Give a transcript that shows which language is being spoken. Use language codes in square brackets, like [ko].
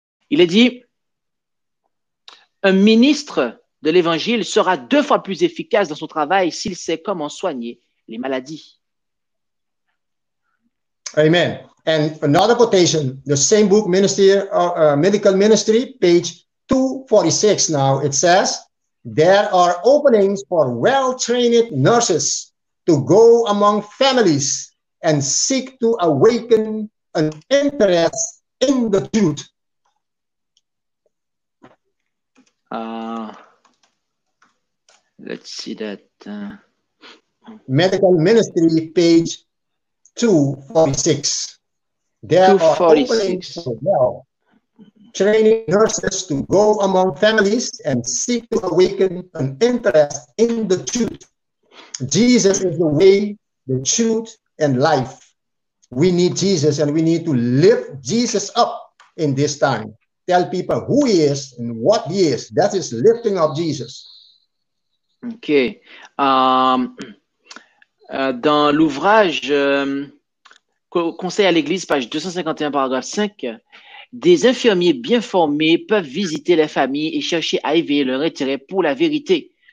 [fr] Il est dit, un ministre de l'Évangile sera deux fois plus efficace dans son travail s'il sait comment soigner les maladies. Amen. [en] And another quotation, the same book, Ministry, Medical Ministry, page 246 now, it says, there are openings for well-trained nurses to go among families and seek to awaken an interest in the truth. Let's see that. Medical Ministry, page 246. There are openings for well-trained nurses to go among families and seek to awaken an interest in the truth. Jesus is the way, the truth, and life. We need Jesus, and we need to lift Jesus up in this time. Tell people who he is and what he is. That is lifting up Jesus. Okay. [fr] Dans l'ouvrage Conseil à l'Église, page 251, paragraphe 5, des infirmiers bien formés peuvent visiter les familles et chercher à éveiller leur intérêt pour la vérité.